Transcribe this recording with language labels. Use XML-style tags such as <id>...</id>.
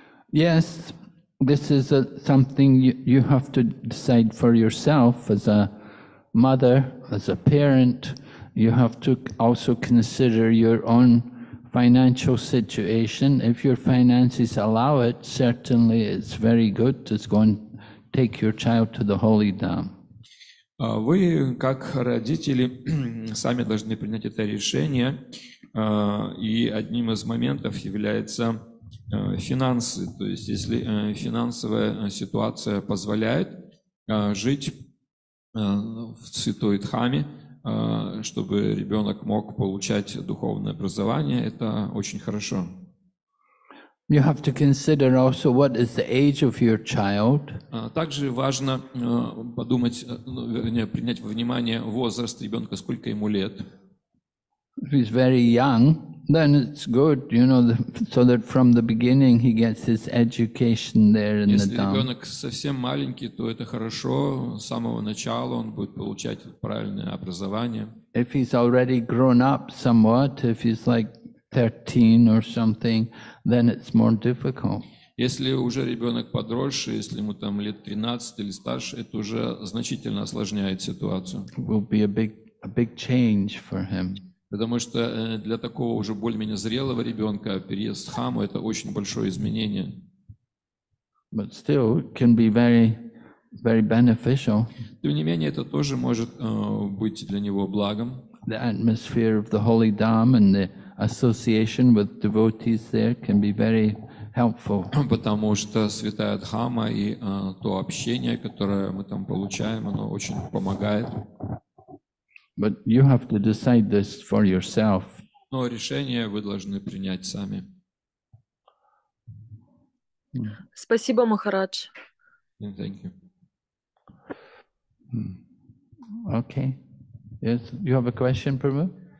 <en>Yes, this is something you have to decide for yourself as a mother, as a parent. You have to also consider your own financial situation. If your finances allow it, certainly it's very good to go and take your child to the Holy Dham.</en> <ru>Вы, как родители, сами должны принять это решение, и одним из моментов является финансы. То есть, если финансовая ситуация позволяет жить в Святой Дхаме, чтобы ребенок мог получать духовное образование, это очень хорошо.</ru> <en>You have to consider also what is the age of your child.</en> <ru>Также важно принять во внимание возраст ребенка, сколько ему лет.</ru> <en>If he's very young, then it's good, you know, so that from the beginning he gets his education there in the Dham.</en> <ru>Если ребенок совсем маленький, то это хорошо, с самого начала он будет получать правильное образование.</ru> <en>If he's already grown up somewhat, if he's like 13 or something, then it's more difficult.</en> <ru>Если уже ребенок подросший, если ему там лет 13 или старше, это уже значительно осложняет ситуацию.</ru> <en>It will be a big change for him.</en> <ru>Потому что для такого уже более-менее зрелого ребенка переезд в Дхаму – это очень большое изменение.</ru> <en>But still, it can be very, very beneficial.</en> <ru>Тем не менее, это тоже может быть для него благом.</ru> <en>The atmosphere of the Holy Dham and the association with devotees there can be very helpful.</en> <ru>Потому что святая Дхама и то общение, которое мы там получаем, оно очень помогает.</ru> <en>But you have to decide this for yourself.</en> <ru>Но решение вы должны принять сами. Спасибо, Махарадж.</ru> <en>Thank you. Okay. Yes, you have a question, Prabhu?</en>